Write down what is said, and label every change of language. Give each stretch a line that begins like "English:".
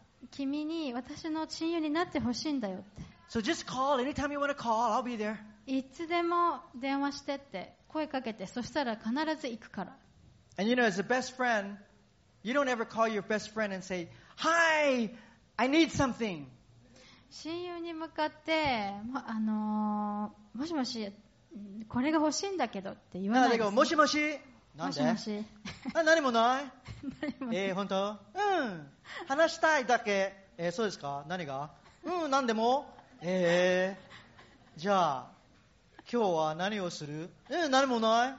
Japanese: 君に私の親友になってほしいんだよって。
English: So just call anytime you want to call, I'll be there.
Japanese: いつでも電話してって声かけて、そしたら必ず行くから。
English: And you know, as a best friend, you don't ever call your best friend and say, "Hi, I need something."
Japanese: 親友に向かって、もしもし、これが欲しいんだけどって言わないです。もしもし、なんで？もしもし。あ、何もない。何も。本当？うん。話したいだけ、そうですか？何が？うん、何でも、じゃあ今日は何をする？何もない。